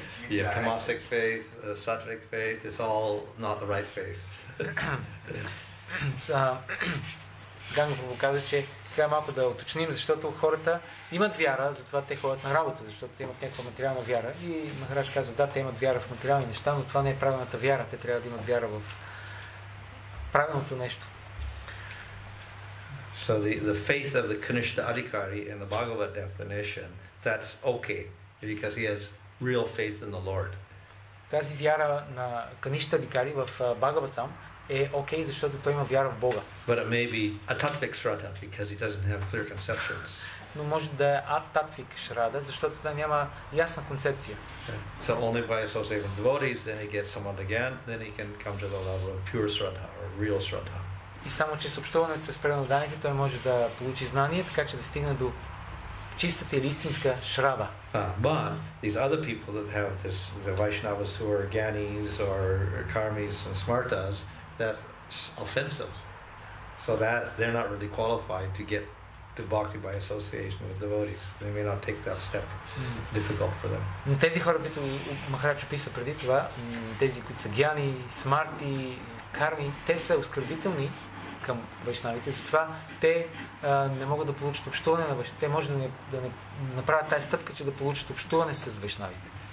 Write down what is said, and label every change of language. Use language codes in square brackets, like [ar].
[en] You have tamasic faith, sattvic faith, it's all not the right faith. [bg] Ганго каза, че трябва малко да уточним, защото хората имат вяра, затова те ходят на работа, защото те имат някаква материална вяра. И Махарадж каза, да, те имат вяра в материални неща, но това не е правилната вяра. Те трябва да имат вяра в правилното нещо. [en] So the faith of the Kanishtha Adhikari in the Bhagavad definition, that's okay, because he has real faith in the Lord. [bg] Тази вяра на Kanishtha Adhikari в Бхагаватам е окей, защото той има вяра в Бога. [en] But it may be a tattvic shraddha because he doesn't have clear conceptions. [bg] Но може да е аттатвик шрада, защото да няма ясна концепция. [en] So only by associating devotees, then he gets someone again, then he can come to the level of pure shraddha or real shraddha. [bg] И само чрез общуването с преданите, той може да получи знание, така че да стигне до чистата или истинска шрада. [en] But these other people that have this, the Vaishnavas who are Ganis or Karmis and Smartas, that's offensive. So that they're not really qualified to get to bhakti by association with devotees. They may not take that step. Difficult for them. [bg] Тези хора, които Махарадж описа преди това, тези, които са гьяни, смарти, карми, те са оскърбителни към вайшнавите, затова те не могат да получат общуване на вайшнавите. Те може да не направят тази стъпка, че да получат общуване с вайшнавите.